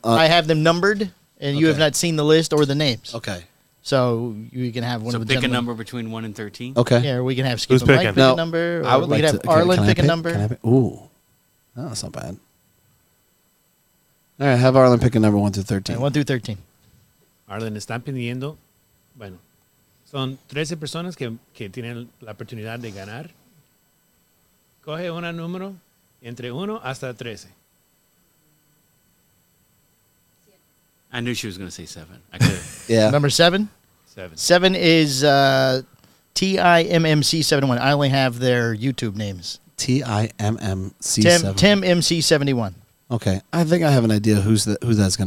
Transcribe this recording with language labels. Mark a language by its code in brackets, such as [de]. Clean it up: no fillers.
[en] I have them numbered, and you have not seen the list or the names. Okay. So you can have one of the pick a number between 1 and 13? Okay. Yeah, we can have Skip pick a number. Or I would like to have Arlen pick a number. Ooh. Oh, that's not bad. All right, have Arlen pick a number 1 through 13. Right, 1 through 13. [es] Arlen, ¿están pidiendo? Bueno, son 13 personas que tienen la oportunidad de ganar. Coge un número entre 1 hasta 13. [en] I knew she was going to say 7. I could. Yeah. Number 7? 7. 7 is TIMMC71. I only have their YouTube names. TIMMC71. TimMC71. Okay. I think I have an idea who that's going